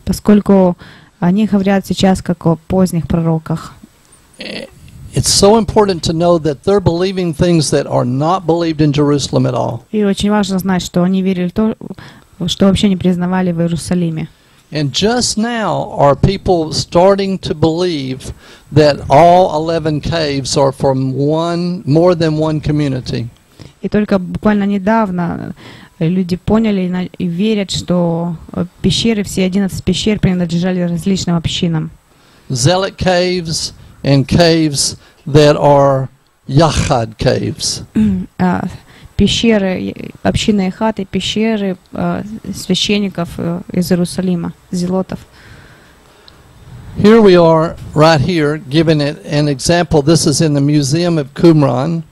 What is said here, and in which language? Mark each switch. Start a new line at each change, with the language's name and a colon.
Russian: Поскольку они говорят сейчас как о поздних пророках.
English: It's so important to know that they're believing things that are not believed in Jerusalem at all.
Russian: И очень важно знать, что они верили то, что вообще не признавали в Иерусалиме.
English: And just now are people starting to believe that all 11 caves are from one, more than one community.
Russian: И только буквально недавно люди поняли и верят, что пещеры, все 11 пещер принадлежали различным общинам.
English: Zealot caves and caves that are Yahad caves.
Russian: Пещеры, общины Яхад и пещеры священников из Иерусалима, зелотов.
English: Here we are, right here, giving it an example. This is in the Museum of Qumran.